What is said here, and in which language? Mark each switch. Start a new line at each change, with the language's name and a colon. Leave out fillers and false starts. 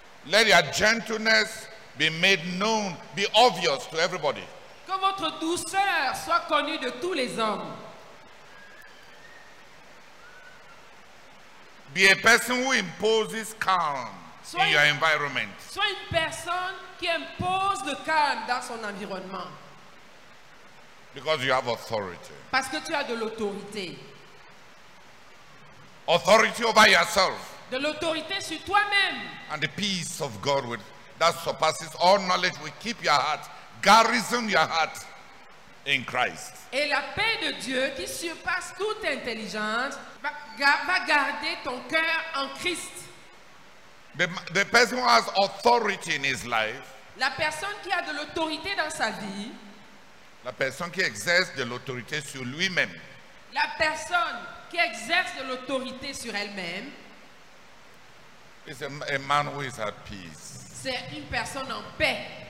English: Let your gentleness be made known, be obvious to everybody.
French: Que votre douceur soit connue de tous les hommes.
English: Be a person who imposes calm. In your environment.
French: Soit une personne qui impose le calme dans son environnement.
English: Because you have authority.
French: Parce que tu as de l'autorité.
English: Authority over yourself.
French: De l'autorité sur toi-même.
English: And the peace of God that surpasses all knowledge will keep your heart, garrison your heart in Christ.
French: Et la paix de Dieu qui surpasse toute intelligence va garder ton cœur en Christ.
English: The person who has authority in his life.
French: La personne qui a de l'autorité dans sa vie. La personne qui exerce de l'autorité sur lui-même. La personne qui exerce de l'autorité sur elle-même.
English: Is a man who is at peace.
French: C'est une personne en paix.